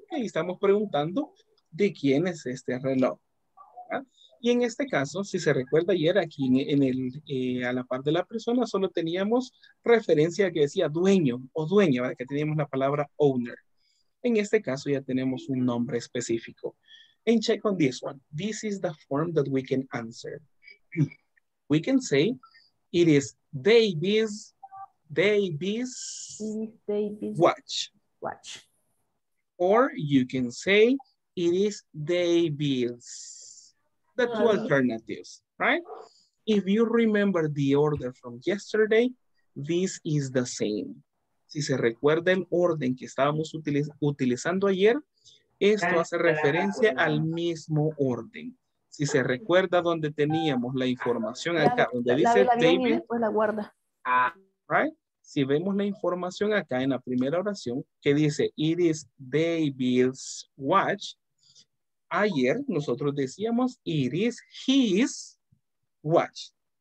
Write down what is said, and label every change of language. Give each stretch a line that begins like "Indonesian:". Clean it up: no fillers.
Spanish: Okay, estamos preguntando de quién es este reloj. ¿Verdad? Y en este caso, si se recuerda ayer, aquí a la par de la persona, solo teníamos referencia que decía dueño o dueña, ¿verdad? Que teníamos la palabra owner. En este caso ya tenemos un nombre específico.
English: And check on this one. This is the form that we can answer. We can say, it is David's watch. Or you can say, it is David's. The two alternatives, right? If you remember the order from yesterday, this is the same.
Spanish: Si se recuerda el orden que estábamos utilizando ayer, esto hace referencia al mismo orden. Si se recuerda donde teníamos la información acá, donde dice David, después la guarda. Right? Si vemos la información acá en la primera oración que dice,
English: it is David's watch,
Spanish: ayer nosotros decíamos,
English: it is his watch.